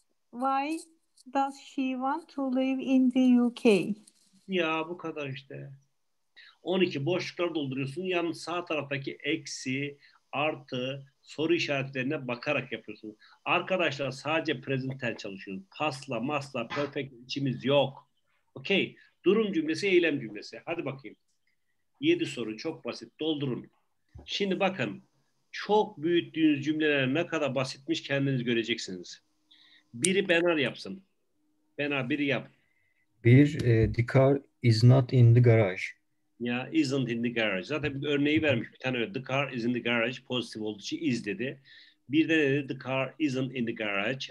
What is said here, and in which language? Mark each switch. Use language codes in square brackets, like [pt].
[en] Why does she want to live in the UK? [tr] Ya bu kadar işte. 12 boşluklar dolduruyorsun. Yan sağ taraftaki eksi, artı, soru işaretlerine bakarak yapıyorsun. Arkadaşlar sadece present tense çalışıyoruz. Pasla, masla, perfect içimiz yok. Okey. Durum cümlesi, eylem cümlesi. Hadi bakayım. 7 soru çok basit. Doldurun. Şimdi bakın. Çok büyüttüğünüz cümleler ne kadar basitmiş kendiniz göreceksiniz. Biri Benar yapsın. Benar biri yap. Bir, [en] the car is not in the garage. Ya, isn't in the garage. [tr] Zaten bir örneği vermiş bir tane. [en] The car is in the garage. [tr] Pozitif olduğu için is dedi. Bir de dedi [en] the car isn't in the garage.